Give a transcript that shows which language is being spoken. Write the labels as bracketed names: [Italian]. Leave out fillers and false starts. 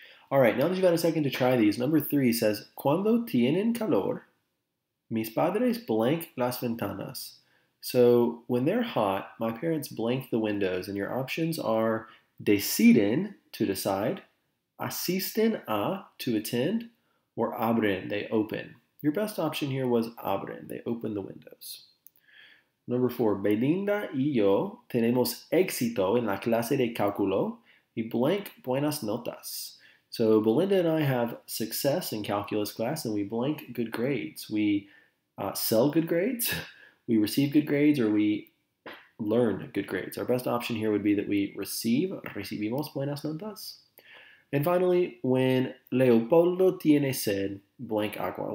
[English] All right, now that you've got a second to try these, number three says, cuando tienen calor, mis padres blank las ventanas. So when they're hot, my parents blank the windows, and your options are deciden, to decide, asisten a, to attend, or abren, they open. Your best option here was abren, they open the windows. [Spanish] Number four, Belinda y yo tenemos éxito en la clase de cálculo y blank buenas notas. [English] So Belinda and I have success in calculus class and we blank good grades. We sell good grades, we receive good grades, or we learn good grades. Our best option here would be that we recibimos buenas notas. And finally, when Leopoldo tiene sed, blank agua.